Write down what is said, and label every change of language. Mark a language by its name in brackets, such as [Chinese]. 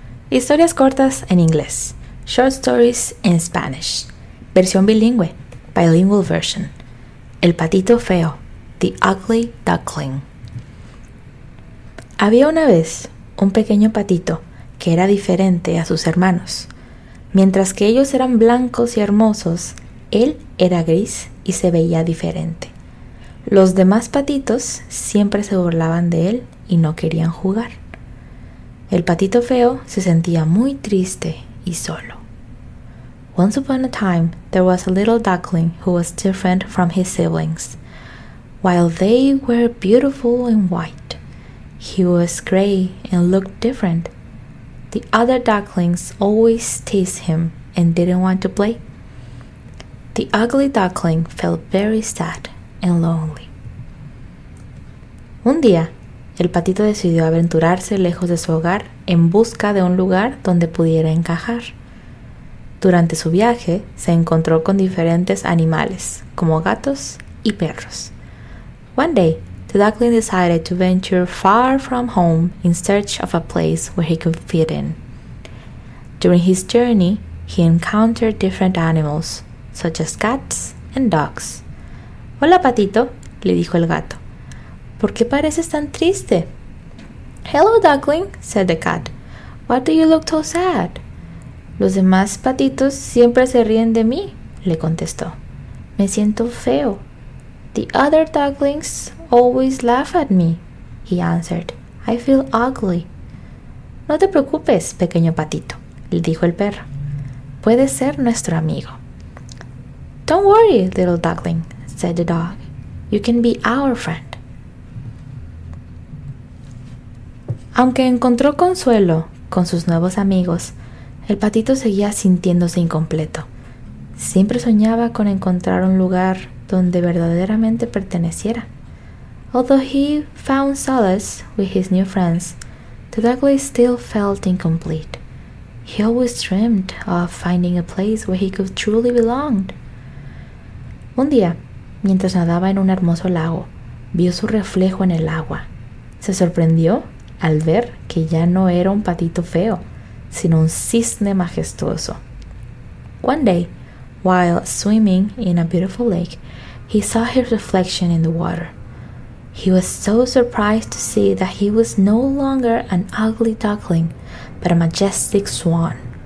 [Spanish] Historias cortas en inglés. [English] Short stories in Spanish. [Spanish] Versión bilingüe. [English] Bilingual version. [Spanish] El patito feo. [English] The ugly duckling. [Spanish] Había una vez un pequeño patito que era diferente a sus hermanos. Mientras que ellos eran blancos y hermosos, él era gris y se veía diferente. Los demás patitos siempre se burlaban de él y no querían jugar. El patito feo se sentía muy triste y solo. [English] Once upon a time, there was a little duckling who was different from his siblings. While they were beautiful and white, he was gray and looked different. The other ducklings always teased him and didn't want to play. The ugly duckling felt very sad and lonely. [Spanish] Un día, el patito decidió aventurarse lejos de su hogar en busca de un lugar donde pudiera encajar. Durante su viaje, se encontró con diferentes animales, como gatos y perros. [English] One day, the duckling decided to venture far from home in search of a place where he could fit in. During his journey, he encountered different animals, such as cats and dogs. [Spanish] Hola, patito, le dijo el gato. ¿Por qué pareces tan triste? [English] Hello, duckling, said the cat. Why do you look so sad? [Spanish] Los demás patitos siempre se ríen de mí, le contestó. Me siento feo. [English] The other ducklings always laugh at me, he answered. I feel ugly. [Spanish] No te preocupes, pequeño patito, le dijo el perro. Puedes ser nuestro amigo. [English] Don't worry, little duckling, said the dog. You can be our friend. [Spanish] Aunque encontró consuelo con sus nuevos amigos, el patito seguía sintiéndose incompleto. Siempre soñaba con encontrar un lugar donde verdaderamente perteneciera. [English] Although he found solace with his new friends, the duckling still felt incomplete. He always dreamed of finding a place where he could truly belong. [Spanish] Un día, mientras nadaba en un hermoso lago, vio su reflejo en el agua. Se sorprendió al ver que ya no era un patito feo, sino un cisne majestuoso. [English] One day, while swimming in a beautiful lake, he saw his reflection in the water. He was so surprised to see that he was no longer an ugly duckling, but a majestic swan.